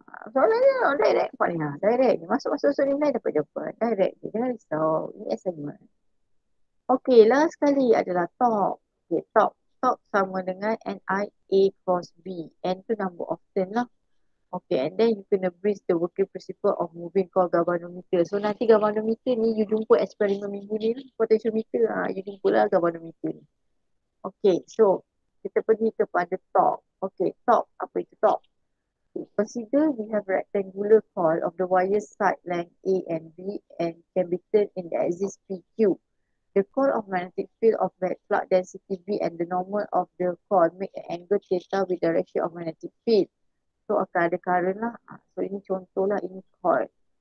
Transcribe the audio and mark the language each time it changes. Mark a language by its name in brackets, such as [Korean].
[Malay] Soalannya direct pun ya, direct. Masuk-masuk soalan ni dapat jawapan. Direct je, jangan risau. Ini assignment. Okay, last sekali adalah top. Okay, top. Top sama dengan Ni A cross B. N tu number of turn lah. [English] Okay, and then you kena breathe the working principle of moving called galvanometer. [Malay] So nanti galvanometer ni you jumpa eksperimen minggu ni lah. Potentiometer lah, you jumpa lah galvanometer ni. Okay, so kita pergi kepada top. Okay, top. Apa itu top? [English] Okay, consider we have a rectangular coil of the wire side length A and B and can be turned in the axis PQ. The coil of magnetic field of that flux density B and the normal of the coil make an angle theta with the direction of magnetic field. [Malay] So akan ada current lah. So ini contoh lah, ini coil.